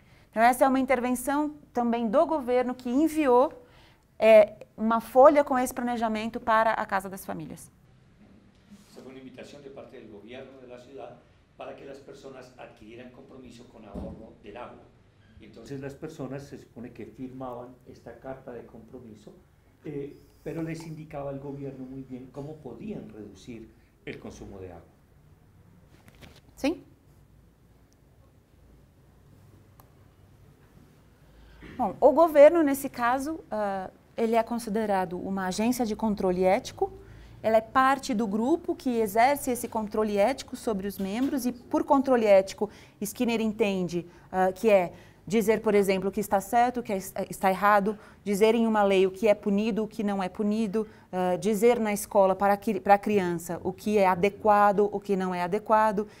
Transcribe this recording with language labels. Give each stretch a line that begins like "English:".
Portuguese: Então, essa é uma intervenção também do governo que enviou uma folha com esse planejamento para a casa das famílias. Essa é uma invitação de parte do governo da cidade para que as pessoas adquiriram compromisso com o ahorro do água.
Spanish: Entonces las personas se supone que firmaban esta carta de compromiso, pero les indicaba el gobierno muy bien cómo podían reducir el consumo de agua. ¿Sí? Bueno, el gobierno en este caso, él es considerado una agencia de control ético.
Portuguese: Ela é parte do grupo que exerce esse controle ético sobre os membros e por controle ético, Skinner entende que é dizer, por exemplo, o que está certo, o que está errado, dizer em uma lei o que é punido, o que não é punido, dizer na escola para a criança o que é adequado, o que não é adequado.